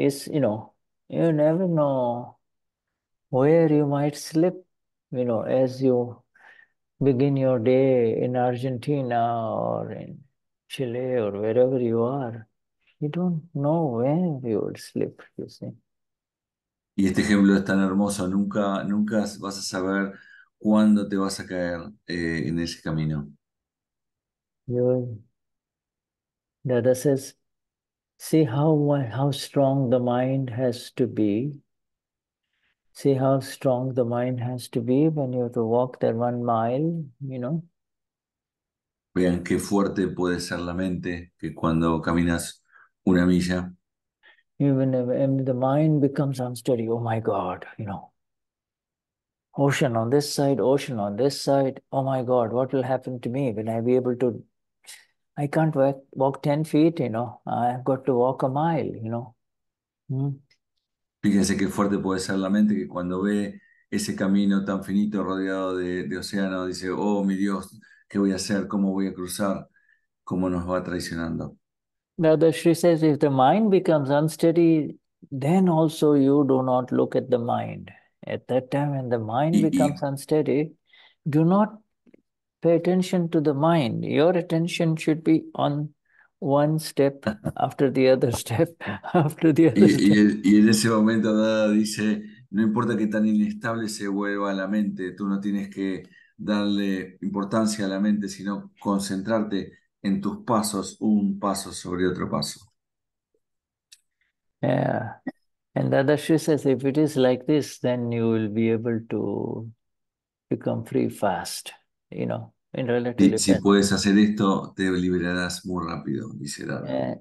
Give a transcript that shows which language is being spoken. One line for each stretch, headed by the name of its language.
English: It's, you never know where you might slip, you know, as you begin your day in Argentina or in Chile or wherever you are, you don't know when you will slip, you see.
Spanish: Y este ejemplo es tan hermoso, nunca, nunca vas a saber cuándo te vas a caer en ese camino.
English: Dada says, see how strong the mind has to be. See how strong the mind has to be when you have to walk that 1 mile, you know.
Spanish: Vean qué fuerte puede ser la mente que cuando caminas una milla.
English: Even if the mind becomes unsteady, oh my God, you know. Ocean on this side, ocean on this side. Oh my God, what will happen to me? Will I be able to? I can't walk 10 feet, you know. I've got to walk a mile, you know.
Spanish: Fíjense qué fuerte puede ser la mente que cuando ve ese camino tan finito rodeado de océano, dice, oh mi Dios, ¿qué voy a hacer? ¿Cómo voy a cruzar? ¿Cómo nos va traicionando?
English: Dadashri says, if the mind becomes unsteady, then also you do not look at the mind. At that time, when the mind becomes unsteady, do not pay attention to the mind. Your attention should be on one step after the other step after the other step.
Spanish: Y en ese momento Dada dice, no importa que tan inestable se vuelva la mente, tú no tienes que darle importancia a la mente, sino concentrarte en tus pasos, un paso sobre otro paso.
English: Yeah. And Dadashri says, if it is like this, then you will be able to become free fast, you know, in relative
Spanish: si
English: depth.
Spanish: Puedes hacer esto, te liberarás muy rápido, dice Dada.